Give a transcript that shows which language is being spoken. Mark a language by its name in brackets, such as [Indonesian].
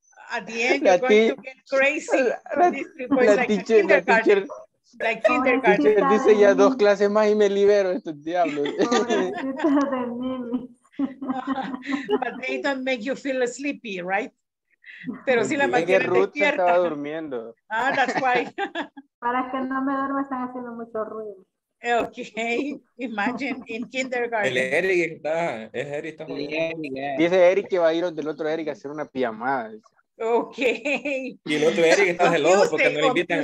[English] At the end, you're going to get crazy. [Spanish] La teacher. [English] Like kindergarten. [Spanish] Oh, dice ya dos clases más y me libero estos diablos. [English] But they don't make you feel sleepy, right? [Spanish] Pero sí, si la mantienen despierta. Estaba durmiendo. [English] Ah, that's why. [Spanish] Para que no me duerma están haciendo mucho ruido. [English] Okay, imagine in kindergarten. [Spanish] El Eric está, es Eric está muy bien. Dice Eric que va a ir donde el otro Eric a hacer una pijamada. Ok. Y el otro Eric está celoso porque no le invitan.